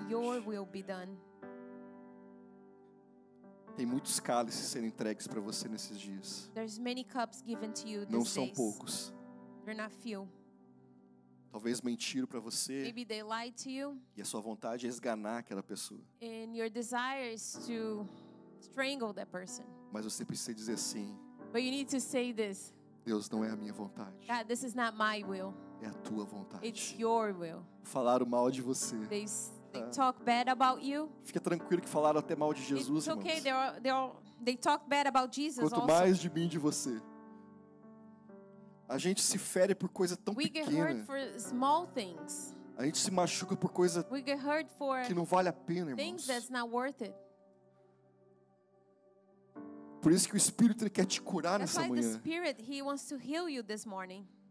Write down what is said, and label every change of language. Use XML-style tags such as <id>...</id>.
<en>Let your will be done.</en> <pt>Tem muitos cálices sendo entregues para você nesses dias.</pt> <en>There's many cups given to you these days.</en> <pt>Não são poucos.</pt> <en>They're not few.</en> <pt>Talvez mentiram para você.</pt> <en>Maybe they lied to you.</en> <pt>E a sua vontade é esganar aquela pessoa.</pt> <en>And your desire is to strangle that person.</en> <pt>Mas você precisa dizer sim.</pt> <en>But you need to say this.</en> <pt>Deus, não é a minha vontade.</pt> <en>God, this is not my will.</en> <pt>É a tua vontade.</pt> <en>It's your will.</en> <pt>Falaram mal de você.</pt> <en>They talk bad about you.</en> <pt>Fica tranquilo que falaram até mal de Jesus.</pt> <en>It's okay. They talk bad about Jesus.</en> <pt>Quanto mais de mim, de você. A gente se fere por coisa tão pequena.</pt> <en>We get hurt for small things.</en> <pt>A gente se machuca por coisa que não vale a pena, irmãos.</pt> <en>Things that's not worth it.</en> <pt>Por isso que o Espírito ele quer te curar nessa manhã.</pt> <en>The Spirit, he wants to heal you this morning.</en>